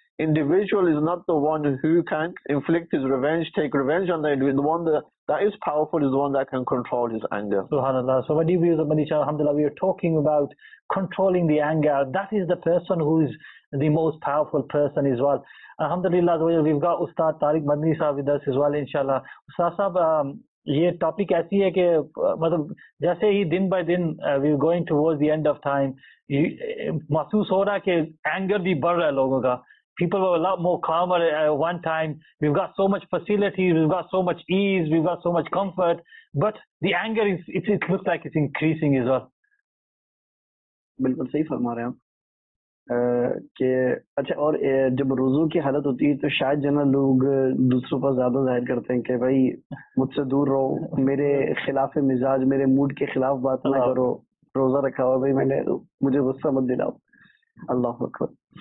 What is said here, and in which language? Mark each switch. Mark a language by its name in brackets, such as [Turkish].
[English] individual is not the one who can inflict his revenge, take revenge on the individual. The one that is powerful is the one that can control his anger. SubhanAllah. So what do you view of Manisha? Alhamdulillah, we are talking about controlling the anger. That is the person who is the most powerful person as well. Alhamdulillah, we've got Ustad Tariq Madni Sahib with us as well, inshallah. [Urdu] استاد صاحب, یہ topic ایسی ہے کہ, مطلب, جیسے ہی دن by then, [English] we're going towards the end of time, [Urdu] محسوس ہو رہا کہ anger بھی بڑھ رہا ہے لوگوں کا. [English] People were a lot more calmer at one time. We've got so much facilities, we've got so much ease, we've got so much comfort, but the anger it looks like it's increasing as well. [Urdu] بالکل صحیح فرما رہے ہیں کہ اچھا اور جب رضو کی حالت ہوتی ہے تو شاید جو نا لوگ دوسروں پر زیادہ ظاہر کرتے ہیں کہ بھائی مجھ سے دور رہو, میرے خلاف مزاج, میرے موڈ کے خلاف بات نہ کرو, روزہ رکھا ہوا بھائی میں نے, مجھے غصہ مت دلاؤ. اللہ اکبر.